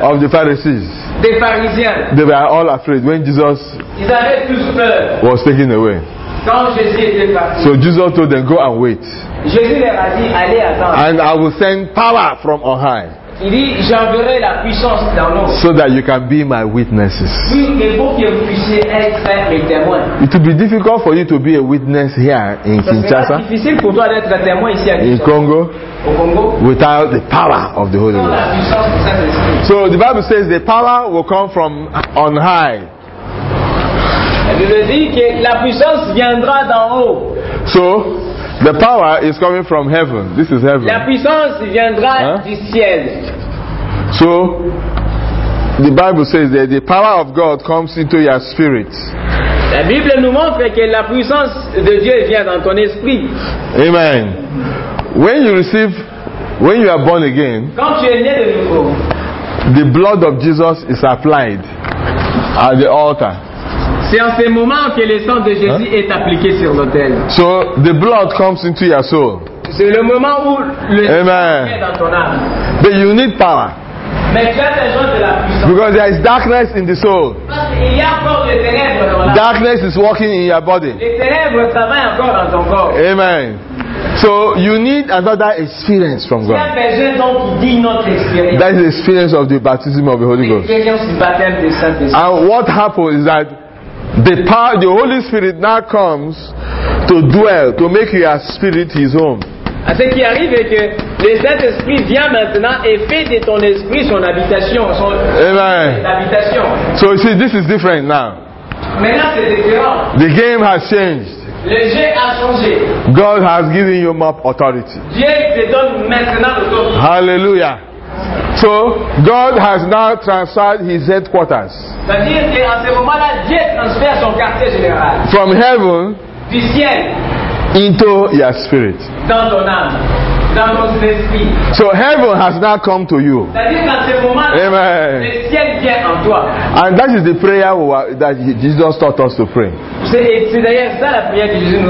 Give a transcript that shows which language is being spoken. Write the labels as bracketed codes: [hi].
[en] of the Pharisees. [fr] Des Pharisiens. [en] They were all afraid when Jesus [fr] ils avaient tous peur [en] was taken away. [fr] Quand Jésus était parti. [en] So Jesus told them, go and wait. [fr] Jésus leur a dit, allez attendre. [en] And I will send power from on high. [fr] Il dit, j'enverrai la puissance dans l'eau. [en] So that you can be my witnesses. [fr] Oui, et pour que vous puissiez être mes témoins. [en] It will be difficult for you to be a witness here in Kinshasa. [fr] C'est difficile pour toi d'être un témoin ici à Kinshasa. [en] In Congo. [fr] Au Congo. [en] Without the power of the Holy Ghost. [fr] Sans la puissance du Saint-Esprit. [en] So the Bible says the power will come from on high. [fr] La Bible dit que la puissance viendra d'en haut. [en] So the power is coming from heaven. This is heaven. [fr] La puissance viendra du ciel. [en] So the Bible says that the power of God comes into your spirit. [fr] La Bible nous montre que la puissance de Dieu vient dans ton esprit. [en] Amen. When you are born again, [fr] quand tu es né de nouveau, [en] the blood of Jesus is applied at the altar. [fr] C'est en ce moment que le sang de Jésus est appliqué sur l'autel. [en] So the blood comes into your soul. [fr] C'est le moment où le sang est dans ton âme. [en] But you need power. [fr] Mais tu as besoin de la puissance. [en] Because there is darkness in the soul. [fr] Parce qu'il y a encore des ténèbres dans l'âme. [en] Darkness is working in your body. [fr] Les ténèbres travaillent encore dans ton corps. [en] Amen. So you need another experience from God. That is the experience of the baptism of the Holy Ghost. And what happens is that the power, the Holy Spirit now comes to dwell, to make your spirit his home. [fr] Ce qui arrive est que le Saint-Esprit vient maintenant et fait de ton esprit son habitation, Amen. Habitation. [en] So you see, this is different now. [fr] Maintenant, c'est différent. [en] The game has changed. [fr] Le jeu a changé. [en] God has given you more authority. [fr] Dieu te donne maintenant l'autorité. [en] Hallelujah. So God has now transferred his headquarters. [fr] C'est-à-dire qu'à ce moment-là, Dieu transfère son quartier général. [en] From heaven. [fr] Du ciel. [en] Into your spirit. [fr] Dans ton âme. Dans ton esprit. [en] So heaven has now come to you. [fr] C'est-à-dire qu'à ce moment-là, Amen. Le ciel vient en toi. [en] And that is the prayer that Jesus taught us to pray. [fr] C'est d'ailleurs ça la prière que Jésus nous